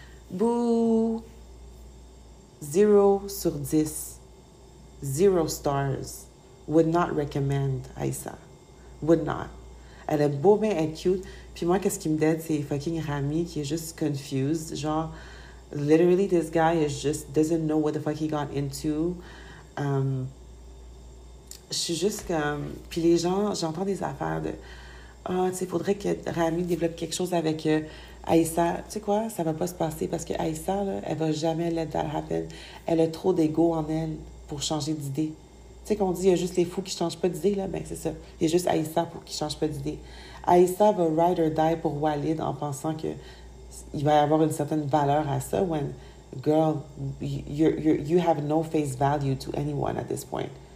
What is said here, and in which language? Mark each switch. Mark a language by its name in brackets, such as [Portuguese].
[English] Boo! 0/10. 0 stars. would not recommend Aïssa. Would not. [French] Elle a beau bien être cute. Puis moi, qu'est-ce qui me dead, c'est fucking Rami qui est juste confused. [English] Genre, literally, this guy is just doesn't know what the fuck he got into. [French] Je suis juste comme... Puis les gens, j'entends des affaires de... Ah, oh, tu sais, il faudrait que Rami développe quelque chose avec Aïssa. Tu sais quoi? Ça va pas se passer parce que Aïssa, là, elle va jamais [English] let that happen. [French] Elle a trop d'ego en elle pour changer d'idée. Tu sais qu'on dit, il y a juste les fous qui changent pas d'idée, là. Ben, c'est ça. Il y a juste Aïssa pour qu'ils changent pas d'idée. Aïssa va ride or die pour Walid en pensant que il va y avoir une certaine valeur à ça. [English] When, girl, you have no face value to anyone at this point.